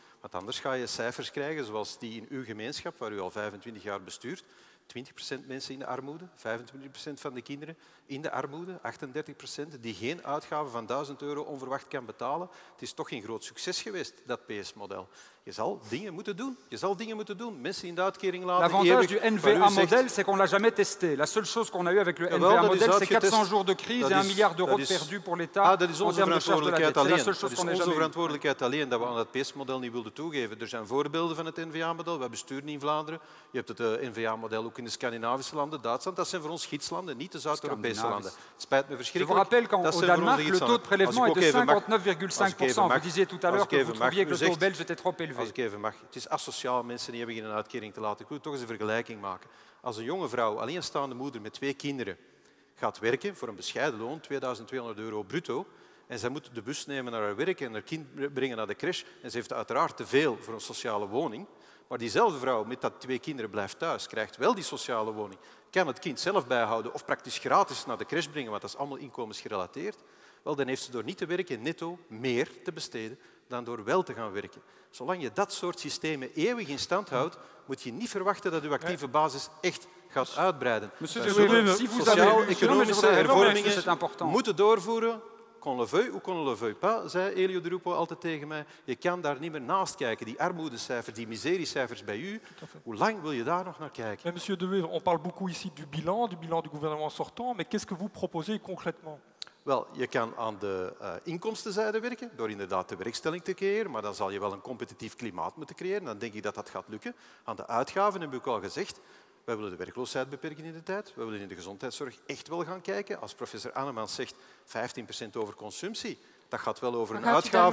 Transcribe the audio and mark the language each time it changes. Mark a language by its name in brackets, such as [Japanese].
[Dutch] Want anders ga je cijfers krijgen zoals die in uw gemeenschap, waar u al 25 jaar bestuurt, 20% mensen in de armoede, 25% van de kinderen in de armoede, 38% die geen uitgave van 1000 euro onverwacht kan betalen. Het is toch geen groot succes geweest, dat PS-model. Je zal dingen moeten doen. Je zal dingen moeten doen. Mensen in de uitkering laten. [French] L'avantage du NVA-model, c'est qu'on l'a jamais testé. La seule chose qu'on a eu avec le NVA-model, c'est 400 jours de crise et 1 milliard d'euros perdu pour l'État. [Dutch] Ah, dat is onze verantwoordelijkheid alleen. Dat is onze verantwoordelijkheid alleen dat we aan het PS-model niet wilden toegeven. Er zijn voorbeelden van het NVA-model. We besturen in Vlaanderen. Je hebt het NVA-model ook ook in de Scandinavische landen, Duitsland, dat zijn voor ons gidslanden, niet de Zuid-Europese landen. Het spijt me verschrikkelijk. [French] Je vous rappelle qu'au Danemark, le taux de prélèvement est de 59,5%. Vous disiez tout à l'heure que vous trouviez que le taux belge était trop élevé. [Dutch] Als ik even mag. Het is asociaal mensen niet hebben een uitkering te laten. Ik wil toch eens een vergelijking maken. Als een jonge vrouw, alleenstaande moeder met twee kinderen, gaat werken voor een bescheiden loon, €2.200 bruto, en zij moet de bus nemen naar haar werk en haar kind brengen naar de crash, en ze heeft uiteraard te veel voor een sociale woning, maar diezelfde vrouw met dat twee kinderen blijft thuis, krijgt wel die sociale woning, kan het kind zelf bijhouden of praktisch gratis naar de crash brengen, want dat is allemaal inkomensgerelateerd, wel, dan heeft ze door niet te werken netto meer te besteden dan door wel te gaan werken. Zolang je dat soort systemen eeuwig in stand houdt, moet je niet verwachten dat je actieve basis echt gaat uitbreiden. Sociaal-economische hervormingen moeten doorvoeren. [French] Qu'on le veuille ou qu'on le veuille pas, [Dutch] zei Elio De Rupo altijd tegen mij. Je kan daar niet meer naast kijken. Die armoedecijfers, die miseriecijfers bij u, hoe lang wil je daar nog naar kijken? [French] Mais monsieur De Wever, on parle beaucoup ici du bilan du gouvernement sortant, mais qu'est-ce que vous proposez concrètement? [Dutch] Wel, je kan aan de inkomstenzijde werken, door inderdaad de werkstelling te creëren, maar dan zal je wel een competitief klimaat moeten creëren. Dan denk ik dat dat gaat lukken. Aan de uitgaven heb ik al gezegd, wij willen de werkloosheid beperken in de tijd. We willen in de gezondheidszorg echt wel gaan kijken. Als professor Annemans zegt 15% over consumptie, dat gaat wel over een uitgave.